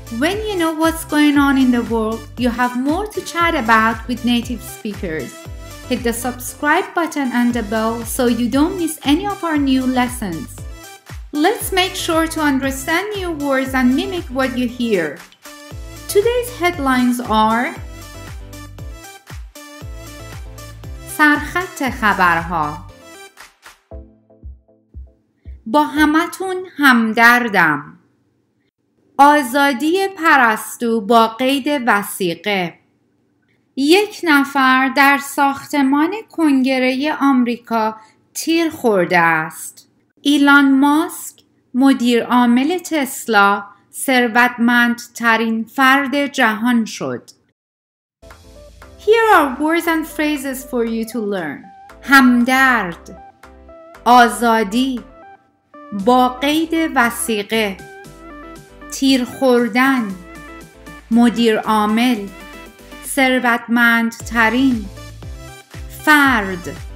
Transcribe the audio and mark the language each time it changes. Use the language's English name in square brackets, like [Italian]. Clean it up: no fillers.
[English] When you know what's going on in the world, you have more to chat about with native speakers. Hit the subscribe button and the bell so you don't miss any of our new lessons. Let's make sure to understand new words and mimic what you hear. Today's headlines are [Persian] سرخط خبرها با همتون همدردم آزادی پرستو با قید وثیقه. یک نفر در ساختمان کنگره آمریکا تیر خورده است. ایلان ماسک، مدیر عامل تسلا، ثروتمندترین فرد جهان شد. [English] Here are words and phrases for you to learn. [Persian] همدرد، آزادی، با قید وثیقه، تیر خوردن، مدیر عامل، ثروتمند ترین فرد.